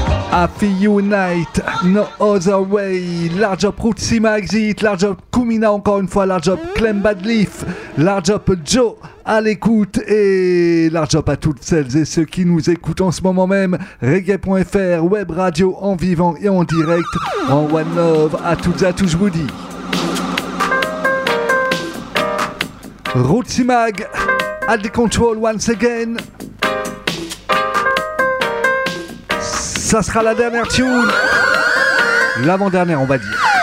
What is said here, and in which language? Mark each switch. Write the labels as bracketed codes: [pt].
[en] Happy Unite, no other way. [fr] Large up Rutsima Exit, large up Kumina encore une fois, large up Clem Badleaf, large up Joe à l'écoute et large up à toutes celles et ceux qui nous écoutent en ce moment même. Reggae.fr, web radio en vivant et en direct, en one love. À toutes et à tous, je vous dis. [en] Rutsima at the control once again. [fr] Ça sera la dernière tune, l'avant-dernière, on va dire.